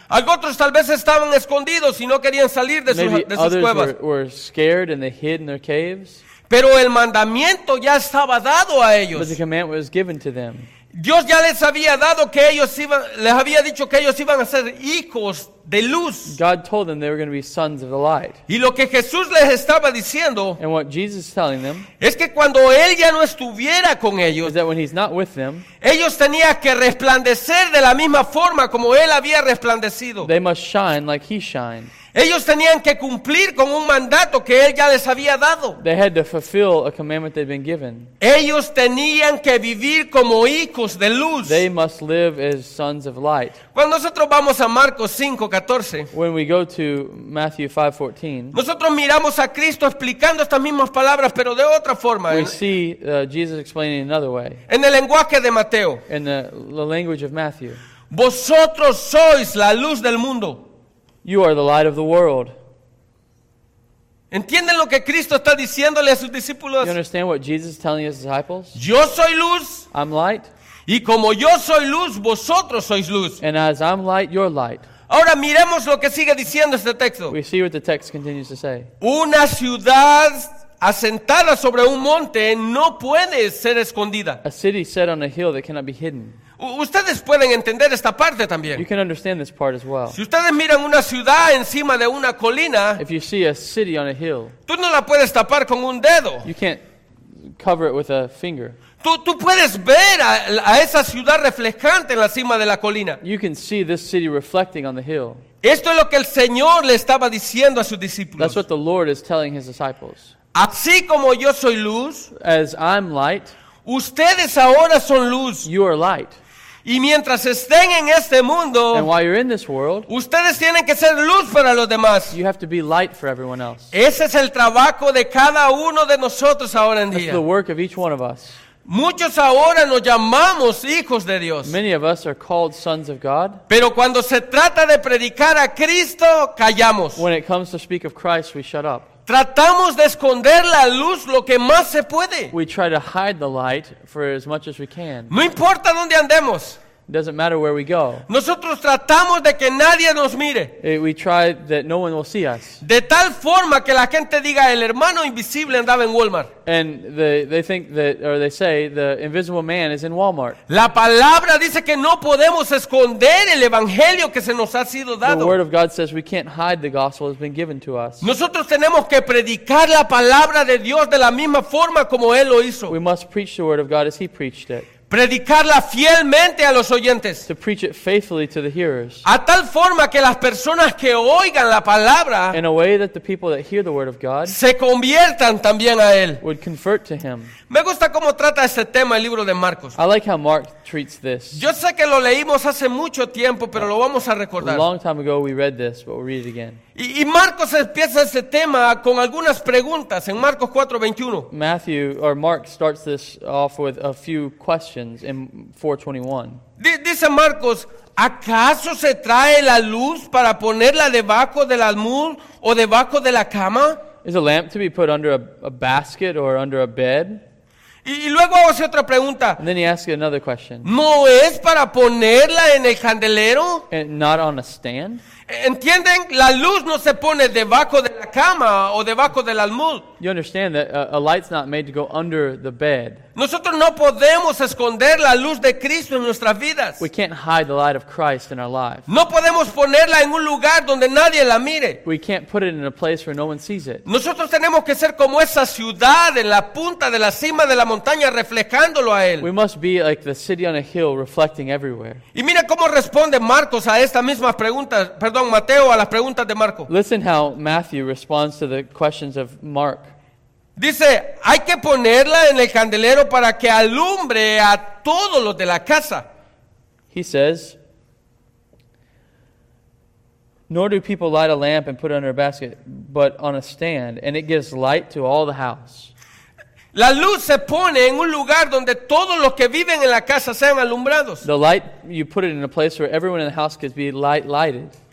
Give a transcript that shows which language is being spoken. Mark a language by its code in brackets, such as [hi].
[es] Otros tal vez estaban escondidos y no querían salir. [en] Maybe others were scared and they hid in their caves. [es] Pero el mandamiento ya estaba dado a ellos. [en] But the command was given to them. [es] Dios ya les había dado que ellos iban, les había dicho que ellos iban a ser hijos de luz. [en] God told them they were going to be sons of the light. [es] Y lo que Jesús les estaba diciendo, [en] and what Jesus is telling them, [es] es que cuando él ya no estuviera con ellos, [en] is that when he's not with them, [es] ellos tenían que resplandecer de la misma forma como él había resplandecido. [en] They must shine like he shined. [es] Ellos tenían que cumplir con un mandato que él ya les había dado. [en] They had to fulfill a commandment they'd been given. [es] Ellos tenían que vivir como hijos de luz. [en] They must live as sons of light. [es] Cuando nosotros vamos a Marcos 5:14, [en] when we go to Matthew 5:14, [es] nosotros miramos a Cristo explicando estas mismas palabras, pero de otra forma. [en] We see Jesus explaining it another way. [es] En el lenguaje de Mateo. [en] In the language of Matthew. [es] Vosotros sois la luz del mundo. [en] You are the light of the world. [es] ¿Entienden lo que Cristo está diciéndole a sus discípulos? [en] You understand what Jesus is telling his disciples? [es] Yo soy luz. [en] I'm light. [es] Y como yo soy luz, vosotros sois luz. [en] And as I'm light, you're light. [es] Ahora miremos lo que sigue diciendo este texto. [en] We see what the text continues to say. [es] Una ciudad asentada sobre un monte no puede ser escondida. [en] A city set on a hill that cannot be hidden. [es] Ustedes pueden entender esta parte también. [en] You can understand this part as well. [es] Si ustedes miran una ciudad encima de una colina, [en] if you see a city on a hill, [es] tú no la puedes tapar con un dedo. [en] You can't cover it with a finger. [es] Tú puedes ver a esa ciudad reflejante en la cima de la colina. [en] You can see this city reflecting on the hill. [es] Esto es lo que el Señor le estaba diciendo a sus discípulos. [en] That's what the Lord is telling his disciples. [es] Así como yo soy luz, [en] as I'm light, [es] ustedes ahora son luz. [en] You are light. [es] Y mientras estén en este mundo, [en] and while you're in this world, [es] ustedes tienen que ser luz para los demás. [en] You have to be light for everyone else. [es] Ese es el trabajo de cada uno de nosotros ahora en [en] That's [es] día. [en] The work of each one of us. [es] Muchos ahora nos llamamos hijos de Dios. [en] Many of us are called sons of God. [es] Pero cuando se trata de predicar a Cristo, callamos. [en] When it comes to speak of Christ, we shut up. [es] Tratamos de esconder la luz lo que más se puede. [en] We try to hide the light for as much as we can. [es] No importa dónde andemos. [en] It doesn't matter where we go. [es] Nosotros tratamos de que nadie nos mire. [en] We try that no one will see us. [es] De tal forma que la gente diga el hermano invisible andaba en Walmart. [en] And they think that, or they say, the invisible man is in Walmart. [es] La palabra dice que no podemos esconder el evangelio que se nos ha sido dado. [en] The word of God says we can't hide the gospel that's been given to us. [es] Nosotros tenemos que predicar la palabra de Dios de la misma forma como él lo hizo. [en] We must preach the word of God as he preached it. [es] Predicarla fielmente a los oyentes. [en] To preach it faithfully to the hearers. [es] A tal forma que las personas que oigan la palabra, [en] in a way that the people that hear the word of God, [es] se conviertan también a él. [en] Would convert to him. [es] Me gusta cómo trata este tema el libro de Marcos. [en] I like how Mark treats this. [es] Yo sé que lo leímos hace mucho tiempo, pero lo vamos a recordar. [en] A long time ago we read this, but we'll read it again. [es] Y Marcos empieza este tema con algunas preguntas en Marcos 4:21. [en] Matthew or Mark starts this off with a few questions in 4:21. [es] Dice Marcos, ¿acaso se trae la luz para ponerla debajo del almud o debajo de la cama? [en] Is a lamp to be put under a basket or under a bed? [es] Y luego hace otra pregunta. [en] And then he asks you another question. [es] ¿No es para ponerla en el candelero? [en] And not on a stand? [es] ¿Entienden? La luz no se pone debajo de la cama o debajo del almud. [en] You understand that a light's not made to go under the bed. [es] Nosotros no podemos esconder la luz de Cristo en nuestras vidas. [en] We can't hide the light of Christ in our lives. [es] No podemos ponerla en un lugar donde nadie la mire. [en] We can't put it in a place where no one sees it. [es] Nosotros tenemos que ser como esa ciudad en la punta de la cima de la montaña reflejándolo a él. [en] We must be like the city on a hill reflecting everywhere. [es] Y mira cómo responde Marcos a esta misma pregunta, perdón, Mateo a las preguntas de Marco. [en] Listen how Matthew responds to the questions of Mark. [es] Dice, hay que ponerla en el candelero para que alumbre a todos los de la casa. [en] He says, nor do people light a lamp and put it under a basket, but on a stand, and it gives light to all the house. [es] La luz se pone en un lugar donde todos los que viven en la casa sean alumbrados. [en] The light, you put it in a place where everyone in the house could be lighted.